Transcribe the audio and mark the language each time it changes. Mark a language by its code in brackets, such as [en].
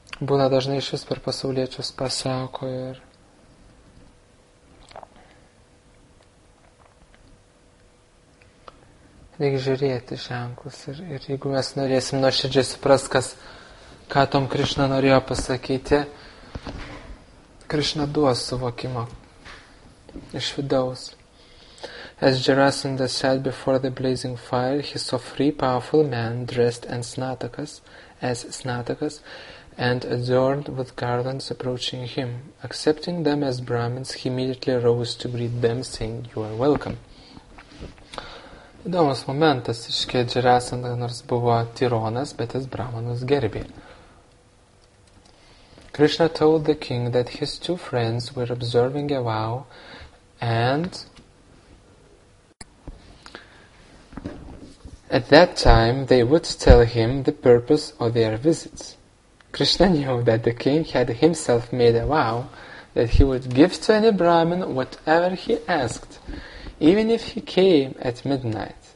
[lt] Būna dažnai šis per pasauliečius pasako ir reikia žiūrėti ženklus ir jeigu mes norėsim nuoširdžiai suprast, ką tom Krišna norėjo pasakyti, Krišna duos suvokimą iš vidaus. [en] As Jarasandha sat before the blazing fire, he saw three powerful men dressed as snatakas, and adorned with garlands approaching him. Accepting them as Brahmins, he immediately rose to greet them, saying, "You are welcome." [lt] Įdomus momentas, iškia Jarasandha, nors buvo tironas, bet jis brahmanus gerbė. [en] Krishna told the king that his two friends were observing a vow and at that time they would tell him the purpose of their visits. Krishna knew that the king had himself made a vow that he would give to any Brahmin whatever he asked, even if he came at midnight.